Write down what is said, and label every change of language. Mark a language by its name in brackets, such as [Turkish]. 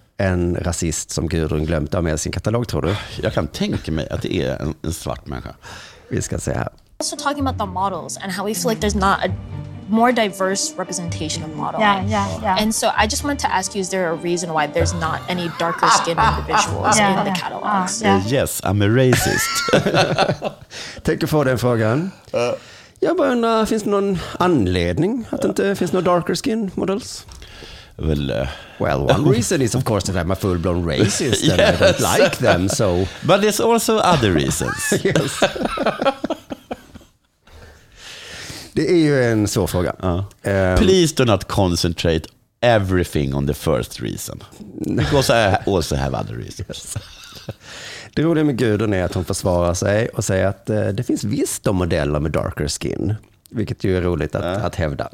[Swedish] en rasist som Gudrun glömt av med sin katalog, tror du? Jag kan tänka mig att det är en svart människa. Vi ska se här. [English] Also talking about the models and how we feel like there's not a more diverse representation of modeling. Yeah, yeah, yeah. And so I just wanted to ask you, is there a reason why there's not any darker skinned individuals yeah, in the catalogs? Yeah. Yes, I'm a racist. [Swedish] Tack för den frågan. Jag bara undrar, finns det någon anledning att det inte finns några [English] darker skin models? Well, well, one reason is of course that I'm a full-blown racist and yes. I don't like them, so... But there's also other reasons. Yes. [Swedish] Det är ju en svår fråga. [English] Please do not concentrate everything on the first reason. Because I also have other reasons. [Swedish] Det roliga med Gudrun är att hon försvarar sig och säger att det finns visst de modeller med [English] darker skin. [Swedish] Vilket ju är roligt att, att hävda.